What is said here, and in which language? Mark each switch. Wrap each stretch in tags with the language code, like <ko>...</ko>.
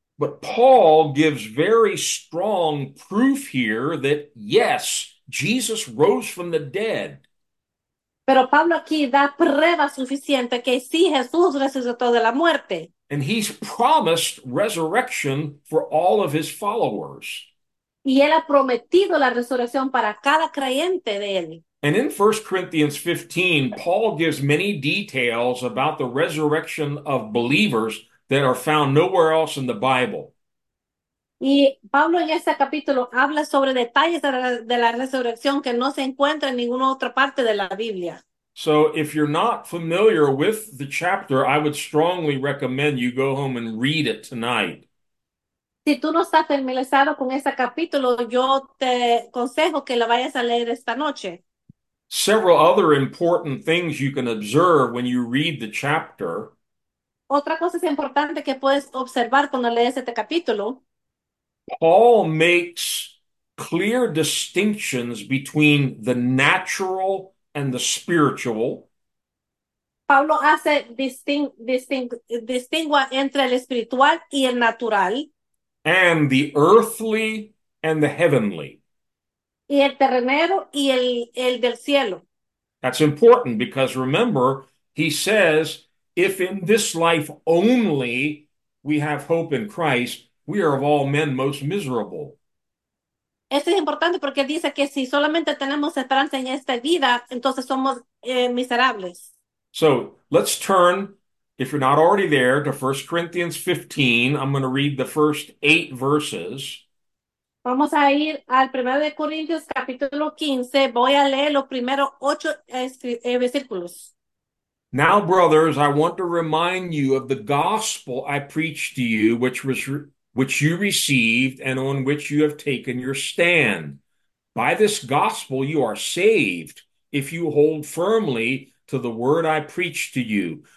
<en>But Paul gives very strong proof here that yes, Jesus rose from the dead.</en> <es>Pero Pablo aquí da prueba suficiente que sí, Jesús resucitó de la muerte.</es> <en>And he's promised resurrection for all of his followers.</en> <es>Y él ha prometido la resurrección para cada creyente de él.</es> <en>And in 1 Corinthians 15, Paul gives many details about the resurrection of believers that are found nowhere else in the Bible.</en> <es>Y Pablo en este capítulo habla sobre detalles de la resurrección que no se encuentra en ninguna otra parte de la Biblia.</es> <en>So, if you're not familiar with the chapter, I would strongly recommend you go home and read it tonight.</en> <es>Si tú no estás familiarizado con este capítulo, yo te aconsejo que lo vayas a leer esta noche.</es> <en>Several other important things you can observe when you read the chapter.</en> <es>Otra cosa es importante que puedes observar cuando lees este capítulo.</es> <en>Paul makes clear distinctions between the natural and the spiritual.</en> <es>Pablo hace distingua entre el espiritual y el natural</es> <en>And the earthly and the heavenly.</en> <es>y el terrenero y el del cielo.</es> <en>That's important because remember, he says, if in this life only we have hope in Christ, we are of all men most miserable.</en> <es>Esto es importante porque dice que si solamente tenemos esperanza en esta vida, entonces somos miserables.</es> <en>So let's turn, if you're not already there, to 1 Corinthians 15. I'm going to read the first 8 verses.</en> <es>Vamos a ir al 1 de Corintios capítulo 15. Voy a leer los primeros 8 versículos.</es> <en>Now, brothers, I want to remind you of the gospel I preached to you, which you received and on which you have taken your stand. By this gospel, you are saved if you hold firmly to the word I preach to you.</en>